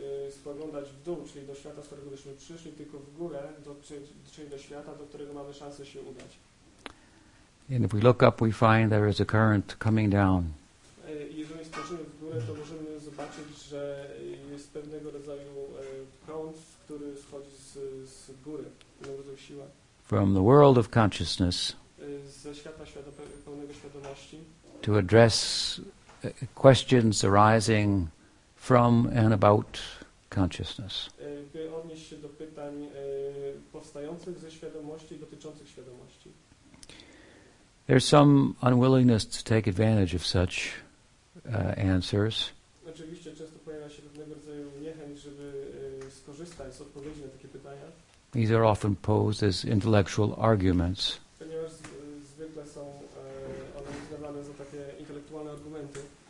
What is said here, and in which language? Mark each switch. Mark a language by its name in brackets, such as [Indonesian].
[Polish] Spoglądać w dół, czyli do świata, z którego byśmy przyszli, tylko w górę, czyli do świata, do którego mamy szansę się udać. [English] And if we look up, we find there is a current coming down. [Polish] Jeżeli spojrzymy w górę, to możemy zobaczyć, że jest pewnego rodzaju prąd, który schodzi z góry, pewnego rodzaju siła. [English] From the world of consciousness. [Polish] Ze świata pełnego świadomości. [English] To address questions arising from and about consciousness. [Polish] By odnieść się do pytań powstających ze świadomości, dotyczących świadomości. [English] There's some unwillingness to take advantage of such answers. [Polish] Oczywiście często pojawia się pewnego rodzaju niechęć, żeby skorzystać z odpowiedzi na takie pytania. [English] These are often posed as intellectual arguments. [Polish] Ponieważ zwykle są one uznawane za takie intelektualne argumenty.